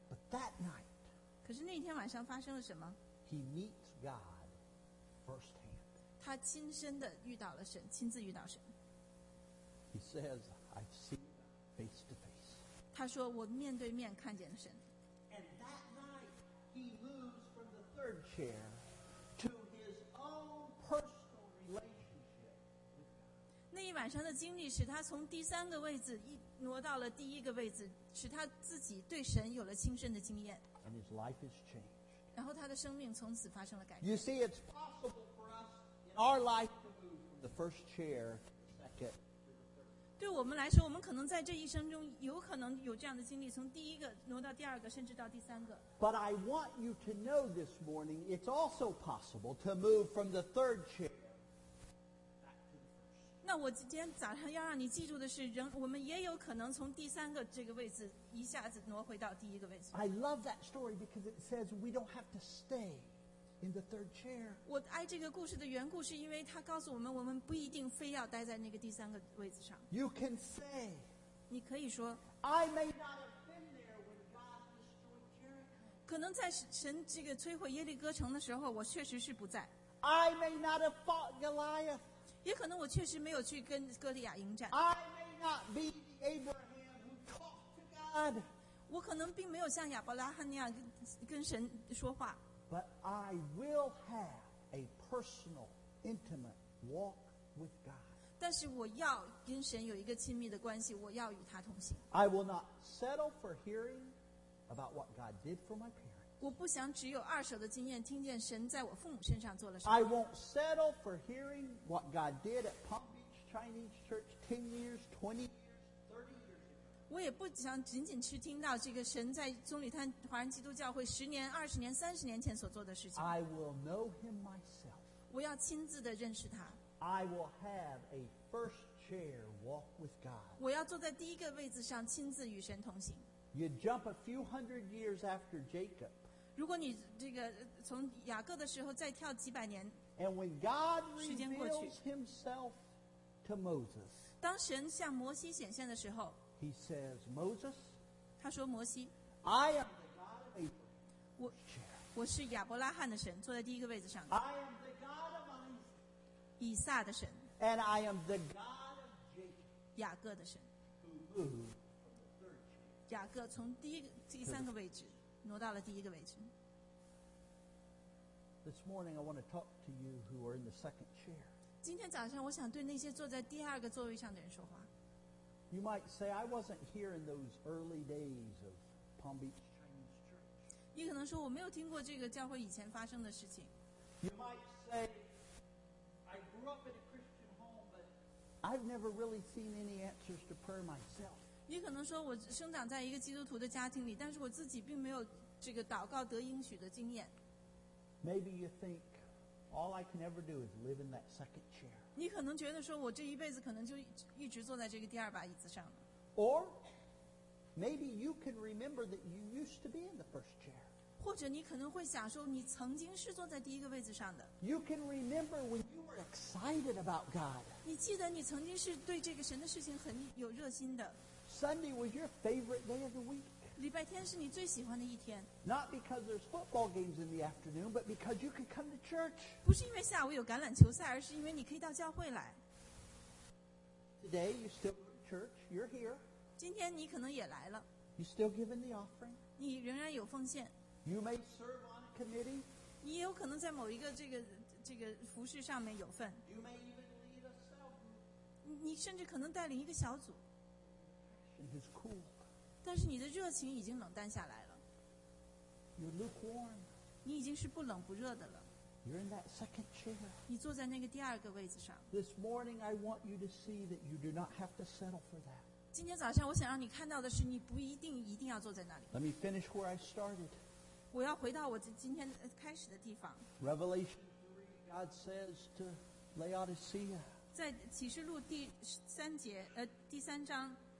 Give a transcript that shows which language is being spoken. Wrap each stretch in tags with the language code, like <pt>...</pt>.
<en>But that night.</en> <zh>可是那天晚上发生了什么</zh> <en>？He meets God.</en> <zh>他亲身的遇到了神，亲自遇到神。</zh> <en>He says, "I've seen face to face."</en> <zh>他说我面对面看见了神。</zh> <en>And that night, he moves from the third chair to his own personal relationship.</en> <zh>那一晚上的经历使他从第三个位置挪到了第一个位置，使他自己对神有了亲身的经验。</zh> <en>And his life has changed.</en> <zh>然后他的生命从此发生了改变。</zh> <en>You see, it's possible for us in our life to move from the first chair to the second to the third.</en> <zh>对我们来说，我们可能在这一生中有可能有这样的经历，从第一个挪到第二个，甚至到第三个。</zh> <en>But I want you to know this morning, it's also possible to move from the third chair.</en> <zh>那我今天早上要让你记住的是，人我们也有可能从第三个这个位置一下子挪回到第一个位置。</zh> <en>I love that story because it says we don't have to stay in the third chair.</en> <zh>我爱这个故事的缘故是因为它告诉我们，我们不一定非要待在那个第三个位置上。</zh> <en>You can say,</en> <zh>你可以说</zh> <en>I may not have been there when God destroyed Jericho.</en> <zh>可能在神这个摧毁耶利哥城的时候，我确实是不在。</zh> <en>I may not have fought Goliath.</en> <zh>也可能我确实没有去跟哥利亚迎战。</zh> <en>I may not be Abraham who talked to God.</en> <zh>我可能并没有像亚伯拉罕那样 跟神说话。</zh> <en>But I will have a personal, intimate walk with God.</en> <zh>但是我要跟神有一个亲密的关系，我要与他同行。</zh> <en>I will not settle for hearing about what God did for my parents.</en> <zh>我不想只有二手的经验，听见神在我父母身上做了什么。</zh> <en>I won't settle for hearing what God did at Palm Beach Chinese Church 10 years, 20 years, 30 years ago.</en> <zh>我也不想仅仅去听到这个神在棕榈滩华人基督教会十年、二十年、三十年前所做的事情。</zh> <en>I will know Him myself.</en> <zh>我要亲自的认识他。</zh> <en>I will have a first chair walk with God.</en> <zh>我要坐在第一个位置上，亲自与神同行。</zh> <en>You jump a few hundred years after Jacob.</en> <zh>如果你这个从雅各的时候再跳几百年，</zh> <en>And when God</en> <zh>时间过去</zh> <en>himself to Moses,</en> <zh>当神向摩西显现的时候</zh> <en>He says, Moses,</en> <zh>他说摩西</zh> <en>I am the God of Abraham,</en> <zh>我是亚伯拉罕的神坐在第一个位置上</zh> <en>I am the God of Isaac,</en> <zh>以撒的神</zh> <en>And I am the God of Jacob,</en> <zh>雅各的神</zh> <en>who moved</en> <zh>雅各从第三个位置挪到了第一个位置。</zh> <en>This morning I want to talk to you who are in the second chair.</en> <zh>今天早上我想对那些坐在第二个座位上的人说话。</zh> <en>You might say I wasn't here in those early days of Palm Beach Chinese Church.</en> <zh>你可能说我没有听过这个教会以前发生的事情。</zh> <en>You might say I grew up in a Christian home, but I've never really seen any answers to prayer myself.</en> <zh>你可能说我生长在一个基督徒的家庭里，但是我自己并没有这个祷告得应许的经验。</zh> <en>Maybe you think all I can ever do is live in that second chair.</en> <zh>你可能觉得说我这一辈子可能就一直坐在这个第二把椅子上了。</zh> <en>Or maybe you can remember that you used to be in the first chair.</en> <zh>或者你可能会想说你曾经是坐在第一个位置上的。</zh> <en>You can remember when you were excited about God.</en> <zh>你记得你曾经是对这个神的事情很有热心的。</zh> <en>Sunday was your favorite day of the week.</en> <zh>礼拜天是你最喜欢的一天。</zh> <en>Not because there's football games in the afternoon, but because you could come to church.</en> <zh>不是因为下午有橄榄球赛，而是因为你可以到教会来。</zh> <en>Today you still go to church. You're here.</en> <zh>今天你可能也来了。</zh> <en>You still give in the offering.</en> <zh>你仍然有奉献。</zh> <en>You may serve on a committee.</en> <zh>你有可能在某一个这个服事上面有份。</zh> <en>You may even lead a cell group.</en> <zh>你甚至可能带领一个小组。</zh> <en>It is cool.</en> <zh>但是你的热情已经冷淡下来了。</zh> <en>You're lukewarm.</en> <zh>你已经是不冷不热的了。</zh> <en>You're in that second chair.</en> <zh>你坐在那个第二个位置上。</zh> <en>This morning, I want you to see that you do not have to settle for that.</en> <zh>今天早上我想让你看到的是，你不一定要坐在那里。</zh> <en>Let me finish where I started.</en> <zh>我要回到我今天开始的地方。</zh> <en>Revelation 3, God says to Laodicea.</en> <zh>在启示录第三节，第三章。</zh>